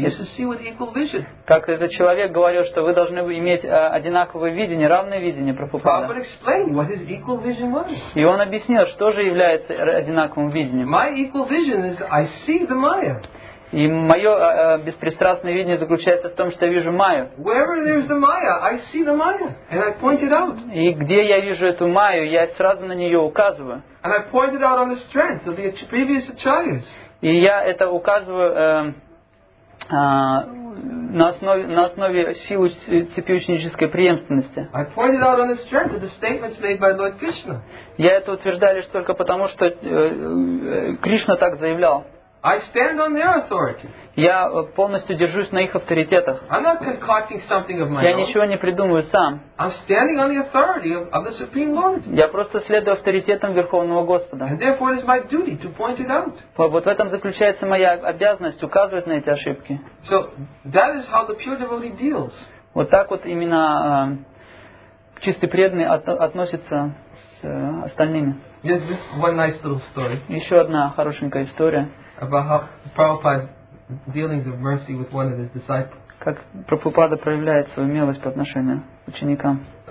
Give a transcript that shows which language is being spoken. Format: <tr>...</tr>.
<en>You should see with equal vision.</en> <ru>Как этот человек говорил, что вы должны иметь одинаковое видение, равное видение Прабхупада.</ru> <en>Prabhupada explained what his equal vision was.</en> <ru>И он объяснил, что же является одинаковым видением.</ru> <en>My equal vision is I see the Maya.</en> <ru>И мое беспристрастное видение заключается в том, что я вижу Майю.</ru> <en>Wherever there's the Maya, I see the Maya, and I point it out.</en> <ru>И где я вижу эту Майю, я сразу на нее указываю.</ru> <en>And I point it out on the strength of the previous acharyas.</en> <ru>И я это указываю на основе силы цепи ученической преемственности.</ru> <en>I point it out on the strength of the statements made by Lord Krishna.</en> <ru>Я это утверждаю лишь только потому, что Кришна так заявлял.</ru> <en>I stand on their authority.</en> <ru>Я полностью держусь на их авторитетах.</ru> <en>I'm not concocting something of my own.</en> <ru>Я ничего не придумываю сам.</ru> <en>I'm standing on the authority of the Supreme Lord.</en> <ru>Я просто следую авторитетам Верховного Господа.</ru> <en>And therefore it is my duty to point it out.</en> <ru>Вот в этом заключается моя обязанность указывать на эти ошибки.</ru> <en>So that is how the pure devotee deals.</en> <ru>Вот так вот именно чистый преданный относится с остальными.</ru> <en>Yes, this one nice little story.</en> <ru>Еще одна хорошенькая история.</ru> <en>About how Prabhupada's dealings of mercy with one of his disciples.</en> <ru>Как Прабхупада проявляет свою милость по отношению к ученикам.</ru>